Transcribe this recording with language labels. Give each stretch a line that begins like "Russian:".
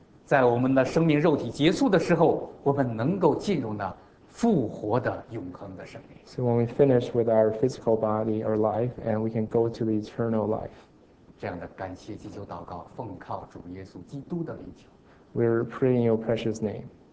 Chinese: 在我们的生命肉体结束的时候，我们能够进入那复活的永恒的生命。
English: So when we finish with our physical body or life, and we can go to the eternal life.
Chinese: 这样的感谢祈求祷告，奉靠主耶稣基督的名求。
English: We're praying your precious name.